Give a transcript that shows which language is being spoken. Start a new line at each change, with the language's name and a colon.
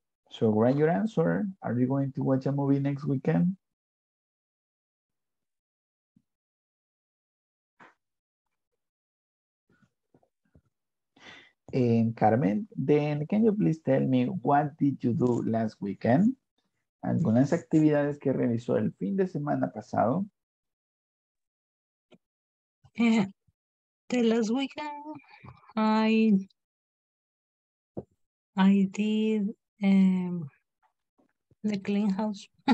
English: So write your answer. Are you going to watch a movie next weekend? And Carmen, then can you please tell me what did you do last weekend?
Spanish: Algunas actividades que realizó el fin de semana pasado.
English: The last weekend, I did the clean house.